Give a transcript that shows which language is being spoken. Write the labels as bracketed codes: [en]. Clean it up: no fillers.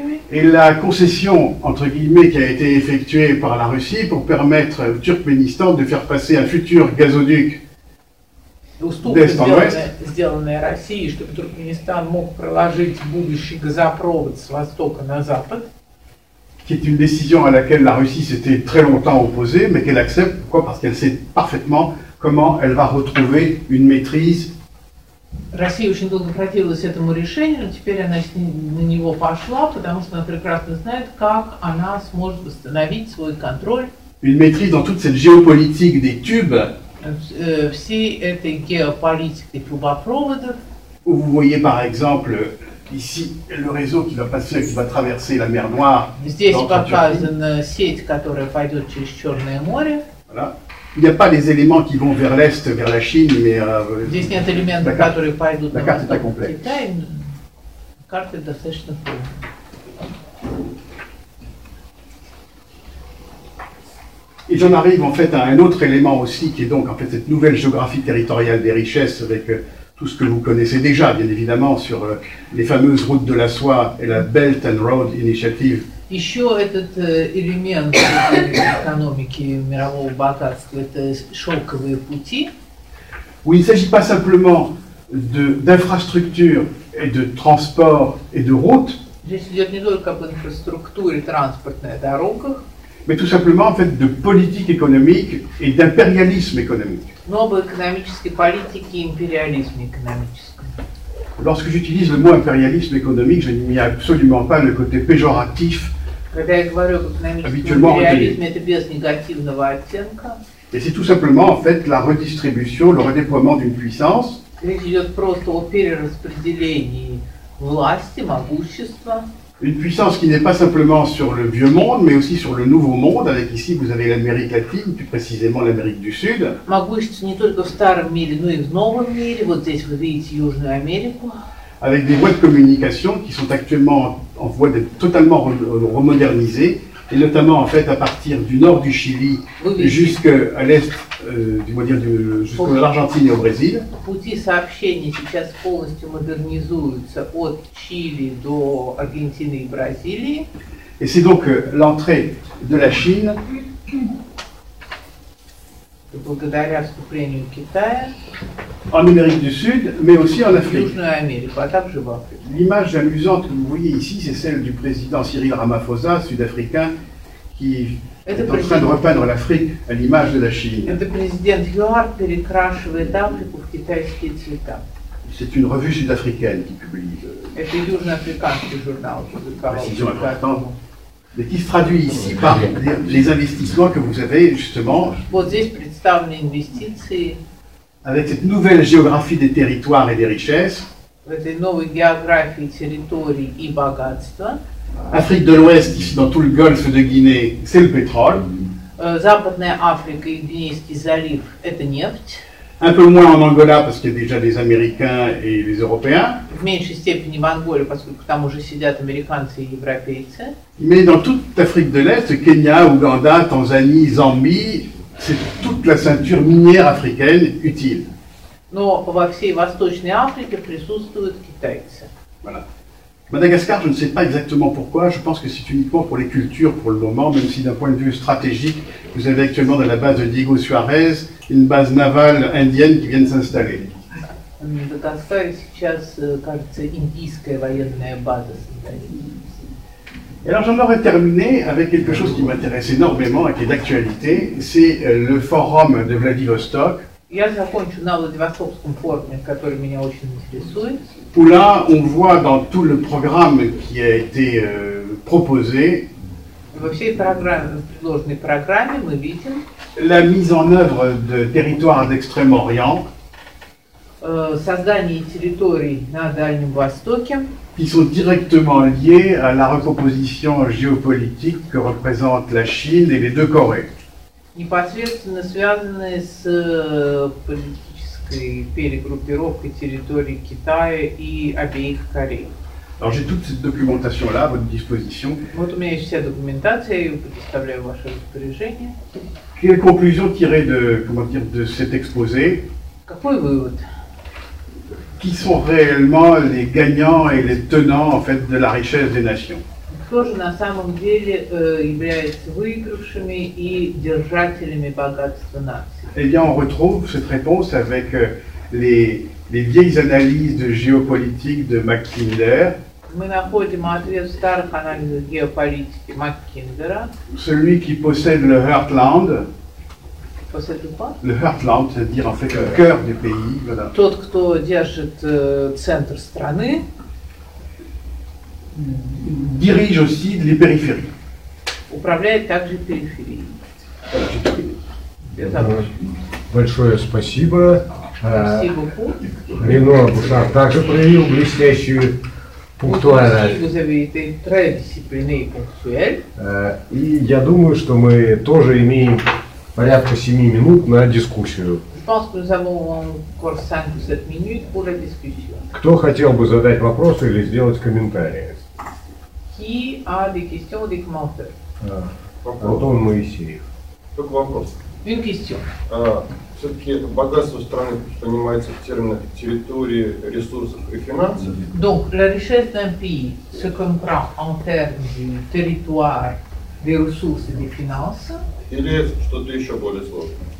[fr] Et la concession, entre guillemets, qui a été effectuée par la Russie pour permettre au Turkménistan de faire passer un futur gazoduc [ru] уступки, сделанные Россией, чтобы Туркменистан мог проложить будущий газопровод с востока на запад. [fr] Qui est une décision à laquelle la Russie s'était très longtemps opposée, mais qu'elle accepte. Pourquoi ? Parce qu'elle sait parfaitement comment elle va retrouver une maîtrise. [ru] Россия очень долго противилась этому решению, но теперь она на него пошла, потому что она прекрасно знает, как она сможет восстановить свой контроль. [fr] Une maîtrise dans toute cette géopolitique des tubes. [ru] Всей этой геополитики трубопроводов. [fr] Vous voyez par exemple ici le réseau qui va passer, qui va traverser la mer Noire. [ru] Здесь показана сеть, которая пойдет через Черное море. [fr] Voilà. Il n'y a pas les éléments qui vont vers l'est, vers la Chine, mais. [ru] Здесь нет элементов, которые пойдут на Китай. карты достаточно полные. [fr] Et j'en arrive en fait à un autre élément aussi, qui est donc en fait cette nouvelle géographie territoriale des richesses, avec tout ce que vous connaissez déjà, bien évidemment, sur les fameuses routes de la soie et la Belt and Road Initiative. [ru] Еще этот элемент экономики мирового богатства – это шелковые пути. [fr] Où il ne s'agit pas simplement d'infrastructures et de transports et de routes. [ru] Здесь идет не только об инфраструктуре транспортной, а дорогах. [fr] Mais tout simplement en fait de politique économique et d'impérialisme économique. [ru] Новой экономической политики и империализм экономическим. [fr] Lorsque j'utilise le mot impérialisme économique, je n'y mets absolument pas le côté péjoratif. [ru] Когда я говорю об экономическом империализме, это без негативного оттенка. [fr] Et c'est tout simplement en fait la redistribution, le redéploiement d'une puissance. [ru] Речь идет просто о перераспределении власти, могущества. [fr] Une puissance qui n'est pas simplement sur le vieux monde, mais aussi sur le nouveau monde, avec ici vous avez l'Amérique latine, plus précisément l'Amérique du Sud. [ru] Могущество не только в старом мире, но и в новом мире. Вот здесь вы видите Южную Америку. [fr] Avec des voies de communication qui sont actuellement en voie d'être totalement remodernisées, et notamment en fait à partir du nord du Chili jusqu'à l'est, jusqu'à l'Argentine et au Brésil. [ru] Пути сообщения сейчас полностью модернизуются от Чили до Аргентины и Бразилии. [fr] Et c'est donc l'entrée de la Chine. [ru] Благодаря вступлению Китая. [fr] En Amérique du Sud, mais aussi en Afrique. [ru] Южную Америку, а также в Африке. [fr] L'image amusante que vous voyez ici, c'est celle du président Cyril Ramaphosa, sud-africain, qui est en train de repeindre l'Afrique à l'image de la Chine. [ru] Это президент ЮАР перекрашивает Африку в китайские цвета. [fr] C'est une revue sud-africaine qui publie. [ru] Это южноафриканский журнал. [fr] Précision importante. Mais qui se traduit ici par les investissements que vous avez justement. [ru] Вот здесь представлены инвестиции. [fr] Avec cette nouvelle géographie des territoires et des richesses. [ru] Этой новой географии территорий и богатства. [fr] Afrique de l'Ouest, ici dans tout le golfe de Guinée, c'est le pétrole. [ru] Западная Африка и Гвинейский залив – это нефть. [fr] Un peu moins en Angola, parce qu'il y a déjà des Américains et les Européens. [ru] В меньшей степени в Анголе, поскольку там уже сидят американцы и европейцы. [fr] Mais dans toute Afrique de l'Est, Kenya, Ouganda, Tanzanie, Zambie, c'est toute la ceinture minière africaine utile. [ru] Но во всей Восточной Африке присутствуют китайцы. [fr] Voilà. Madagascar, je ne sais pas exactement pourquoi, je pense que c'est uniquement pour les cultures pour le moment, même si d'un point de vue stratégique, vous avez actuellement dans la base de Diego Suarez, une base navale indienne qui vient de s'installer. [ru] Madagascar, сейчас, кажется, индийская военная база [fr] s'installe. Alors j'en aurais terminé avec quelque chose qui m'intéresse énormément et qui est d'actualité, c'est le forum de Vladivostok. [ru] Я закончу на Владивостокском форуме, который меня очень интересует. [fr] Où là, on voit dans tout le programme qui a été proposé. [ru] Во всей программе, в предложенной программе мы видим. [fr] La mise en œuvre de territoires d'Extrême-Orient. [ru] Создание территорий на Дальнем Востоке. [fr] Qui sont directement liés à la recomposition géopolitique que représentent la Chine et les deux Corées. [ru] Непосредственно связанные с политической перегруппировкой территорий Китая и обеих Корей. [fr] Alors j'ai toute cette documentation là à votre disposition. [ru] Вот у меня есть вся документация, я ее предоставляю в ваше распоряжение. [fr] Quelle conclusion tirer de, comment dire, de cet exposé? [ru] Какой вывод? [fr] Qui sont réellement les gagnants et les tenants en fait de la richesse des nations? [ru] Кто же на самом деле является выигравшими и держателями богатства нации? [fr] Eh bien, on retrouve cette réponse avec les vieilles analyses de géopolitique de Mackinder. [ru] Мы находим ответ в старых анализах геополитики Маккиндера. [fr] Celui qui possède le Heartland. Possède quoi? Le Heartland, c'est-à-dire en fait le cœur du pays. Voilà. [ru] Тот, кто держит центр страны. [fr] Dirige aussi les périphéries. [ru] Управляет также периферией. Большое спасибо. Спасибо. Рено Бушар также проявил блестящую пунктуальность. И я думаю, что мы тоже имеем порядка 7 минут на дискуссию. [fr] pense que nous avons encore 5 ou 7 minutes pour la discussion. [ru] Кто хотел бы задать вопрос или сделать комментарий? [fr] Qui a des questions ou des commentaires? [ru] Антон Моисеев. Только вопрос. [fr] Une question. [ru] Все-таки это богатство страны понимается в терминах территории, ресурсов и финансов. [fr] Donc, la richesse d'un pays se comprend en termes du territoire, des ressources et des finances. [ru] Или что-то еще более сложное?